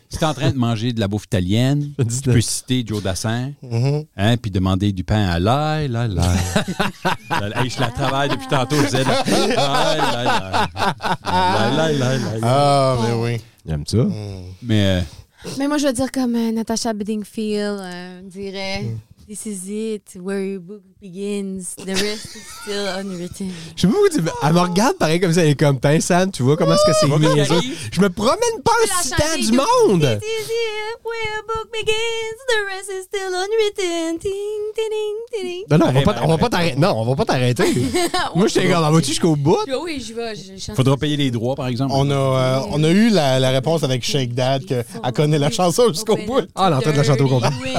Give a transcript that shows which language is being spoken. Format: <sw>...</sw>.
<fr>Si t'es en train de manger de la bouffe italienne, tu peux citer Joe Dassin, hein, puis demander du pain à l'ail, l'ail. Hey, je la travaille depuis tantôt, Z. L'ail. Ah, mais oui. J'aime ça. Mm. Mais moi, je veux dire comme Natasha Bedingfield dirait. Mm.</fr> <en>This is it, where your book begins. The rest is still unwritten.</en> <fr>Je sais pas où tu... Elle me regarde pareil comme ça, elle est comme Pain Sam, tu vois comment est-ce que c'est mieux. Je me promène pas un citant du monde!</fr> <en>This is it, where your book begins. The rest is still unwritten. Ting, ting, ting, ting.</en> <fr>Non, on va pas t'arrêter. Moi, je te regarde, en vas-tu jusqu'au bout? Oui, je vais. Faudra payer les droits, par exemple. On a eu la réponse avec Shake Dad qu'elle connaît la chanson jusqu'au bout. Ah, elle est en train de la chanter au complet.</fr>